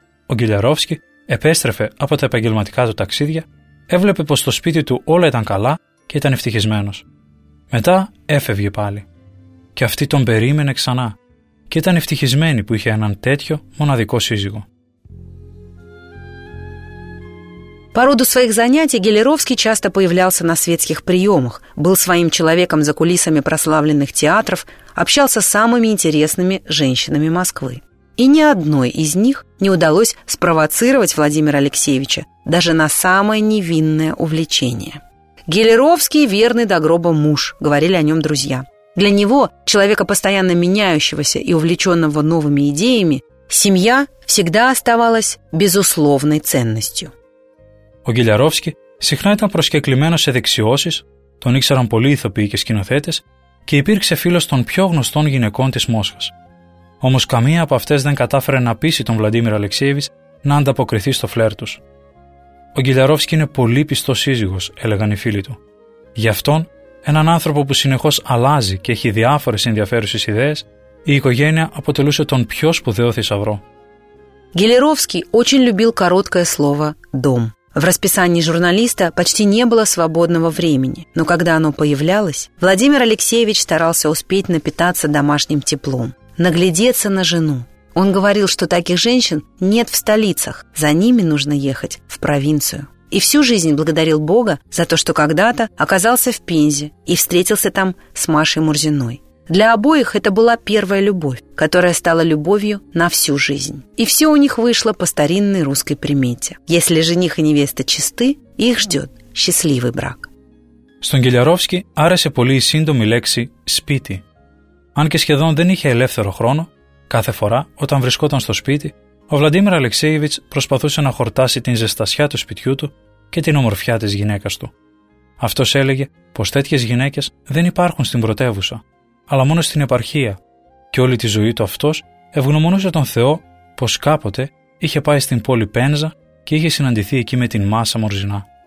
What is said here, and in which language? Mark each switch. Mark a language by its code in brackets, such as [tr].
[el] ο Γκυλιαρόφσκι επέστρεφε από τα επαγγελματικά του ταξίδια, έβλεπε πως στο σπίτι του όλα ήταν καλά και ήταν ευτυχισμένος. Μετά έφευγε πάλι. Και αυτή τον περίμενε ξανά και ήταν ευτυχισμένη που είχε έναν τέτοιο μοναδικό σύζυγο. [ru] По роду своих занятий Гелеровский часто появлялся на светских приемах, был своим человеком за кулисами прославленных театров, общался с самыми интересными женщинами Москвы. И ни одной из них не удалось спровоцировать Владимира Алексеевича даже на самое невинное увлечение. «Гелеровский верный до гроба муж», — говорили о нем друзья. Для него, человека постоянно меняющегося и увлеченного новыми идеями, семья всегда оставалась безусловной ценностью. [el] Ο Γκυλιαρόφσκι συχνά ήταν προσκεκλημένος σε δεξιώσεις, τον ήξεραν πολλοί ηθοποιοί και σκηνοθέτες και υπήρξε φίλος των πιο γνωστών γυναικών της Μόσχας. Όμως καμία από αυτές δεν κατάφερε να πείσει τον Βλαντίμιρο Αλεξίεβιτς να ανταποκριθεί στο φλερ τους. «Ο Γκυλιαρόφσκι είναι πολύ πιστός σύζυγος», έλεγαν οι φίλοι του. Γι' αυτόν, έναν άνθρωπο που συνεχώς αλλάζει και έχει διάφορες ενδιαφέρουσες ιδέες, η οικογένεια αποτελούσε τον πιο σπουδαίο θησαυρό. [ru] Γκυλιαρόφσκι очень любил короткое слово «дом». В расписании журналиста почти не было свободного времени, но когда оно появлялось, Владимир Алексеевич старался успеть напитаться домашним теплом, наглядеться на жену. Он говорил, что таких женщин нет в столицах, за ними нужно ехать в провинцию. И всю жизнь благодарил Бога за то, что когда-то оказался в Пензе и встретился там с Машей Мурзиной. Для обоих это была первая любовь, которая стала любовью на всю жизнь. И все у них вышло по старинной русской примете. Если жених и невеста чисты, их ждет счастливый брак. [el] Στον Γκυλιαρόφσκι άρεσε πολύ η σύντομη λέξη «σπίτι». Αν και σχεδόν δεν είχε ελεύθερο χρόνο, κάθε φορά όταν βρισκόταν στο σπίτι, ο Βλαντίμιρ Αλεξέιβιτς προσπαθούσε να χορτάσει την ζεστασιά του σπιτιού του και την ομορφιά της γυναίκας του. Αυτός έλεγε πως τέτοιες γυναίκες δεν υπάρχουν στην πρωτεύουσα, αλλά μόνο στην επαρχία, και όλη τη ζωή του αυτός ευγνωμονούσε τον Θεό πως κάποτε είχε πάει στην πόλη Πένζα και είχε συναντηθεί εκεί με την Μάσα Μορζινά.